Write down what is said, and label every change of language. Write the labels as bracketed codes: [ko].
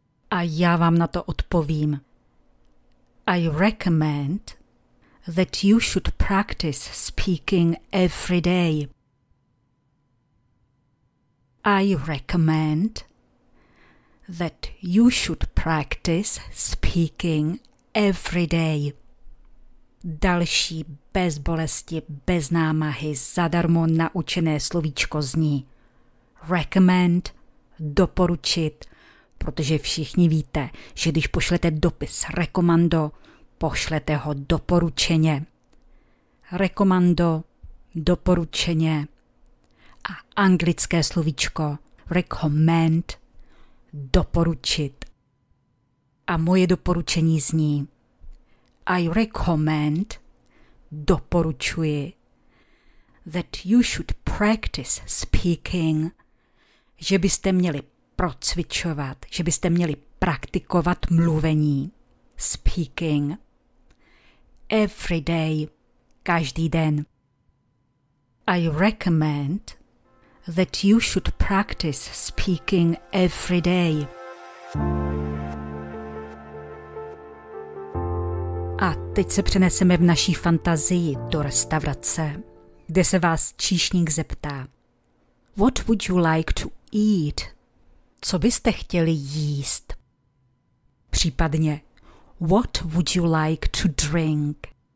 [cs] A já vám na to odpovím. [en] I recommend that you should practice speaking every day. I recommend that you should practice speaking every day. [cs] Další bez bolesti, bez námahy, zadarmo naučené slovíčko zní recommend, doporučit, protože všichni víte, že když pošlete dopis rekomando, pošlete ho doporučeně. Rekomando, doporučeně a anglické slovíčko recommend, doporučit. A moje doporučení zní [en] I recommend, [cs] doporučuji, [en] that you should practice speaking, [cs] že byste měli procvičovat, že byste měli praktikovat mluvení, speaking, [en] every day, [cs] každý den. [en] I recommend that you should practice speaking every day. [cs] A teď se přeneseme v naší fantazii do restaurace, kde se vás číšník zeptá. [en] What would you like to eat? [cs] Co byste chtěli jíst? [en] Případně, what would you like to drink?